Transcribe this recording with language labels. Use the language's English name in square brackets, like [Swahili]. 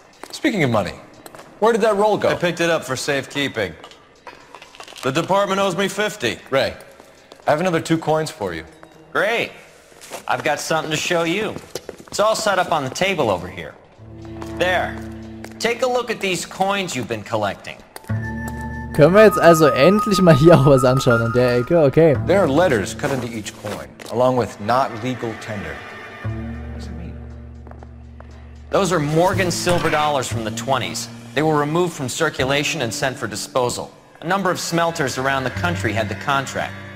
[English] Speaking of money, where did that roll go? I picked it up for safekeeping. The department owes me 50. Ray, I have another 2 coins for you. Great. I've got something to show you. It's all set up on the table over here. There. Take a look at these coins you've been collecting. [German] Können wir jetzt also endlich mal hier auch was anschauen an der Ecke? [English] Okay. There are letters cut into each coin, along with not legal tender. What does it mean? Those are Morgan silver dollars from the 20s. They were removed from circulation and sent for disposal. A number of smelters around the country had the contract.